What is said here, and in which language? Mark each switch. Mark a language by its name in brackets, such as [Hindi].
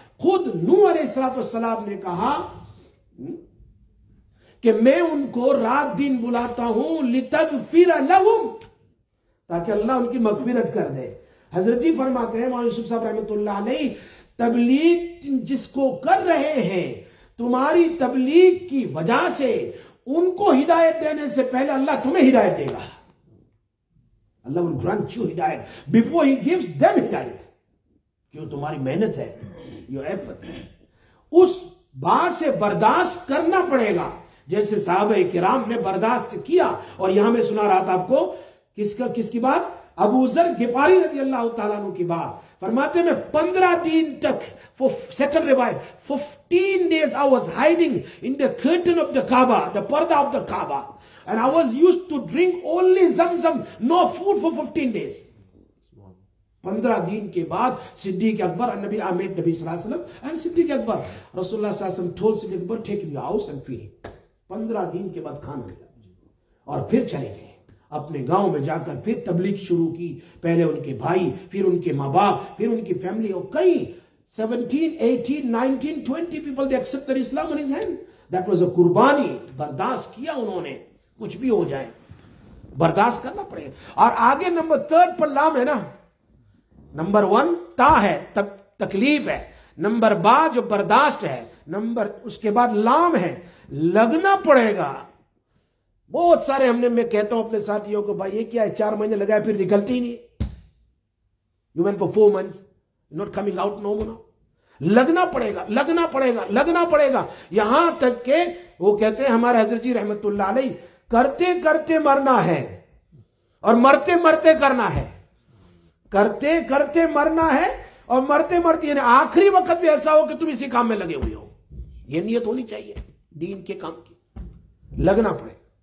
[Urdu] خود نوح علیہ الصلوۃ والسلام نے کہا کہ میں ان کو رات دن بلاتا ہوں لتغفر لہم, تاکہ اللہ ان کی مغفرت کر دے. حضرت جی فرماتے ہیں مولانا یوسف صاحب رحمۃ اللہ علیہ تبلیغ جس کو کر رہے ہیں تمہاری تبلیغ کی وجہ سے ان کو ہدایت دینے سے پہلے اللہ تمہیں ہدایت دے گا. [English] اللہ will grant you ہدایت before he gives them ہدایت. [Urdu] کیوں؟ تمہاری محنت ہے, [English] your effort. [Urdu] اس بات سے برداشت کرنا پڑے گا جیسے صحابہ کرام نے برداشت کیا. اور یہاں میں سنا رہا تھا آپ کو کس کی بات, ابو ذر غفاری رضی اللہ تعالیٰ عنہ کی بات. فرماتے ہیں میں 15 دن تک, سیکنڈ روایت [English] 15 days I was hiding in the curtain of the Kaaba, the parda of the Kaaba, and I was used to drink only zamzam, no food for 15 days. [Urdu] 15 دن کے بعد صدیق اکبر اور نبی آمد نبی صلی اللہ علیہ وسلم and صدیق اکبر, رسول اللہ صلی اللہ علیہ وسلم told Siddiq Akbar [English] take your house and feed him. [Urdu] 15 دن کے بعد کھانا ملا اور پھر چلے گئے اپنے گاؤں میں جا کر پھر تبلیغ شروع کی. پہلے ان کے بھائی, پھر ان کے ماں باپ, پھر ان کی فیملی, اور کئی 17, 18, 19, 20 [English] People they accepted Islam in his hand. That was a [Urdu] قربانی, برداشت کیا انہوں نے, کچھ بھی ہو جائے برداشت کرنا پڑے. اور آگے نمبر 3 پر لام ہے نا, نمبر 1 تا ہے تکلیف ہے, نمبر 2 جو برداشت ہے, نمبر اس کے بعد لام ہے, لگنا پڑے گا. بہت سارے ہم نے, میں کہتا ہوں اپنے ساتھیوں کو, بھائی یہ کیا ہے, 4 مہینے لگا ہے پھر نکلتی نہیں, [English] You went for 4 مہینے not coming out no more. [Urdu] لگنا پڑے گا, لگنا پڑے گا, لگنا پڑے گا. یہاں تک کہ وہ کہتے ہیں ہمارے حضرت جی رحمت اللہ علیہ, کرتے کرتے مرنا ہے اور مرتے مرتے کرنا ہے, کرتے کرتے مرنا ہے اور مرتے مرتے, یعنی آخری وقت بھی ایسا ہو کہ تم اسی کام میں لگے ہوئے ہو, یہ نیت ہونی چاہیے دین کے کام کی. لگنا پڑے.